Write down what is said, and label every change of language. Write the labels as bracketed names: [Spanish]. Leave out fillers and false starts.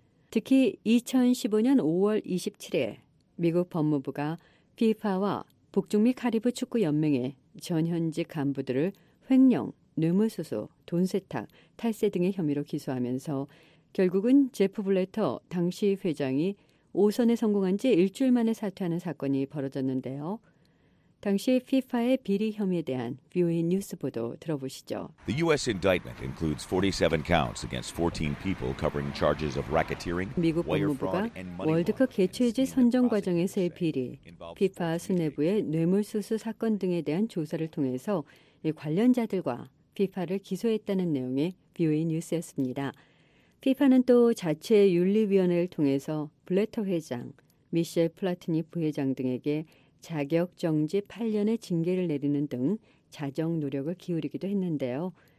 [Korean] 특히 2015년 5월 27일 미국 법무부가 FIFA와 북중미 카리브 축구연맹의 전현직 간부들을 횡령, 뇌물수수, 돈세탁, 탈세 등의 혐의로 기소하면서 결국은 제프 블레터 당시 회장이 오선에 성공한 지 일주일 만에 사퇴하는 사건이 벌어졌는데요. 당시 FIFA의 비리 혐의에 대한 VOA 뉴스 보도 들어보시죠. [English] The U.S. indictment includes 47 counts against 14 people covering charges of racketeering, wire fraud, and money laundering. [Korean] 월드컵 개최지 선정 과정에서의 비리, FIFA 수뇌부의 뇌물수수 사건 등에 대한 조사를 통해서 이 관련자들과 FIFA를 기소했다는 내용의 VOA 뉴스였습니다. FIFA는 또 자체 윤리위원회를 통해서 블레터 회장, 미셸 플라티니 부회장 등에게 자격정지 8년의 징계를 내리는 등 자정 노력을 기울이기도 했는데요.